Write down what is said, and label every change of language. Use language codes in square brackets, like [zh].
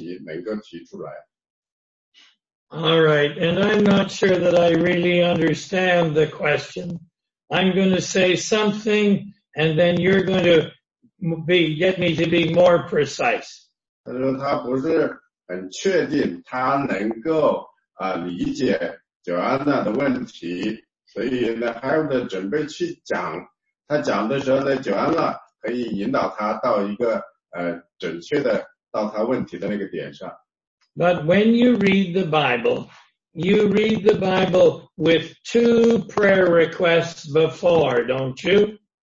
[zh] 他说呢，今天呢仍然有信徒，他读你的故事的时候呢，说这里有非常多的主的荣光在你的人生里，但是呢有些呢却没有，他不是想去问那谁，但是这就是他为什么他的这个问题能够提出来。 [en] All right, and I'm not sure that I really understand the question. I'm going to say something, and then you're going to be, get me to be more precise. [zh] 他说他不是很确定他能够理解Joanna的问题，所以呢，还要准备去讲。他讲的时候呢，Joanna可以引导他到一个准确的到他问题的那个点上。 [en] But when you read the Bible, you read the Bible with two prayer requests before, don't you?